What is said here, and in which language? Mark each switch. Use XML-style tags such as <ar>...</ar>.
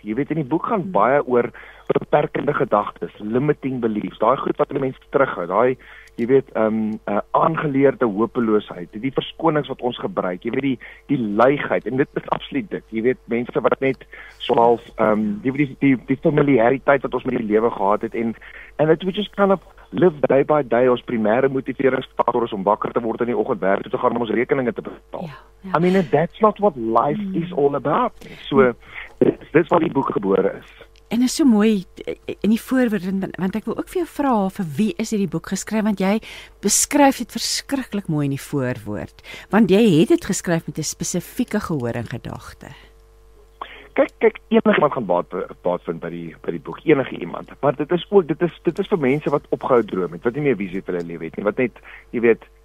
<af>Jy weet, in die boek gaan baie oor beperkende gedagtes,</af> <en>limiting beliefs,</en> <af>daai goed wat die mense terughou, daai, jy weet, aangeleerde hopeloosheid, die verskonings wat ons gebruik, jy weet, die leigheid, en dit is absoluut dit, jy weet, mense wat net soals, die familiariteit wat ons met die lewe gehad het, en</af> <en>it was just kind of live day by day,</en> <af>ons primêre motiveringsfaktor is om wakker te word in die oggend werk toe te gaan om ons rekeninge te betaal.</af> <en>Yeah. I mean, that's not what life is all about.</en> <af>So, dis wat die boek gebore is. En is so mooi in die voorwoording, want ek wil ook vir jou vra, vir wie is hierdie boek geskryf, want jy beskryf dit verskriklik mooi in die voorwoord, want jy het dit geskryf met 'n spesifieke gehoor en gedagte. Kyk, enige iemand gaan baat vind by die boek, enige iemand, maar dit is vir mense wat opgehou droom het, wat nie meer visie vir hulle lewe het nie, wat net, jy weet,</af>